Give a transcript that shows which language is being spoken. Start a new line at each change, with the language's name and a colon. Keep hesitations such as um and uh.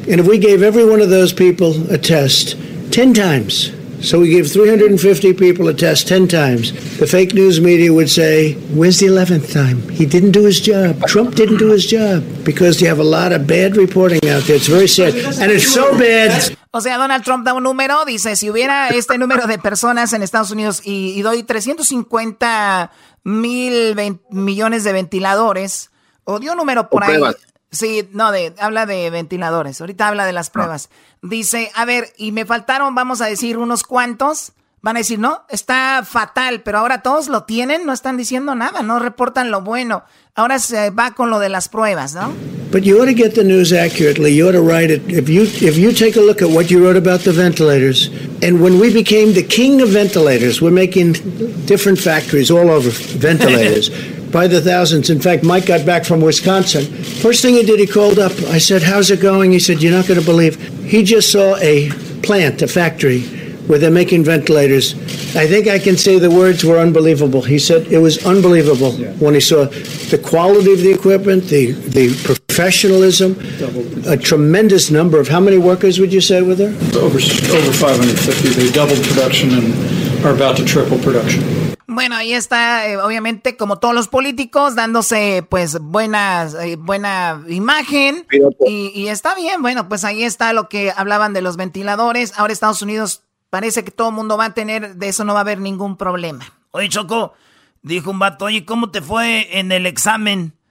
English: And if we gave every one of those people a test 10 times, so we give 350 people a test 10 times. The fake news media would say, Where's the 11th time? He didn't do his job. Trump didn't do his job because you have a lot of bad reporting out there. It's very sad. And it's so bad.
Spanish: O sea, Donald Trump da un número, dice, si hubiera este número de personas en Estados Unidos y, y doy 350 mil millones de ventiladores, o dio número por ahí. Sí, no, de, habla de ventiladores. Ahorita habla de las pruebas. Dice, a ver, y me faltaron, vamos a decir, unos cuantos. Van a decir, no, está fatal, pero ahora todos lo tienen, no están diciendo nada, no reportan lo bueno. Ahora se va con lo de las pruebas, ¿no?
English: But you ought to get the news accurately. You ought to write it. If you, if you take a look at what you wrote about the ventilators, and when we became the king of ventilators, we're making different factories all over ventilators. by the thousands. In fact, Mike got back from Wisconsin. First thing he did, he called up. I said, How's it going? He said, You're not going to believe. He just saw a plant, a factory where they're making ventilators. I think I can say the words were unbelievable. He said it was unbelievable yeah. when he saw the quality of the equipment, the, the professionalism, Double. a tremendous number of how many workers would you say were there? Over, over 550. They doubled production and are about to triple production.
Spanish: Bueno, ahí está, eh, obviamente, como todos los políticos, dándose pues buenas, eh, buena imagen. Y, y, está bien, bueno, pues ahí está lo que hablaban de los ventiladores. Ahora Estados Unidos parece que todo el mundo va a tener, de eso no va a haber ningún problema. Oye, Choco, dijo un vato, oye, ¿cómo te fue en el examen?